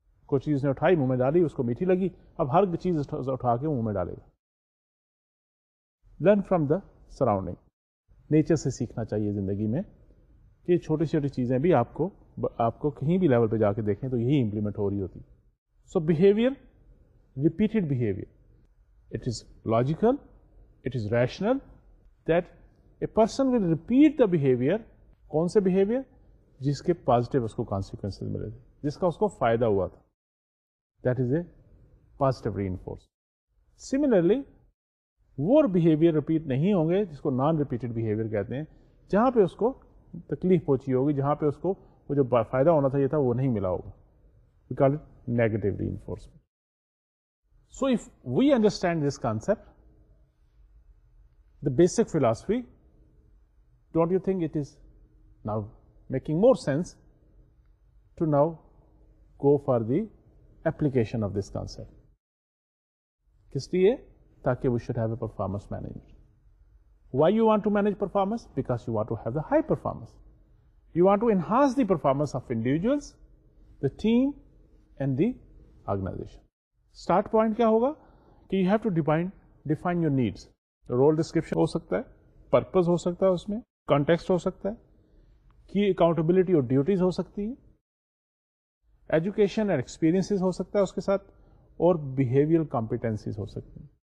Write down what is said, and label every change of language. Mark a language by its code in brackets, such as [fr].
[ur] کوئی چیز نے اٹھائی منہ میں ڈالی, اس کو میٹھی لگی, اب ہر چیز اٹھا کے منہ میں ڈالے گا. [en] Learn from the surrounding. [ur] Nature سے سیکھنا چاہیے زندگی میں, کہ چھوٹی چھوٹی چیزیں بھی آپ کو کہیں بھی لیول پہ جا کے دیکھیں تو یہی امپلیمنٹ ہو رہی ہوتی. [en] So behaviour, repeated behaviour, it is logical, it is rational that a person will repeat the behaviour. [ur] کون سے بیہیویئر؟ جس کے پازیٹیو اس کو کانسیکوینسز ملے تھے, جس کا اس کو فائدہ ہوا تھا, [en] That is a positive reinforce. [ur] Similarly وہ بیہیویئر ریپیٹ نہیں ہوں گے جس کو نان ریپیٹڈ بیہیویئر کہتے ہیں, جہاں پہ اس کو تکلیف پہنچی ہوگی, جہاں پہ اس کو وہ جو فائدہ ہونا تھا یہ تھا وہ نہیں ملا ہوگا. [en] We call it negative reinforcement. So if we understand this concept, the basic philosophy, don't you think it is now making more sense to now go for the application of this concept? [ur] کس لیے؟ تاکہ [en] We should have a performance management. Why you want to manage performance? Because you want to have the high performance. You want to enhance the performance of individuals, the team and the organisation. Start point [ur] کیا ہوگا؟ کہ [en] You have to define your needs. [ur] Role description ہو سکتا ہے, purpose ہو سکتا ہے اس میں, context ہو سکتا ہے, کی اکاؤنٹبلٹی اور ڈیوٹیز ہو سکتی ہیں, ایجوکیشن اینڈ ایکسپیرئنسز ہو سکتا ہے اس کے ساتھ, اور بیہیویئر کمپیٹنسیز ہو سکتی ہیں.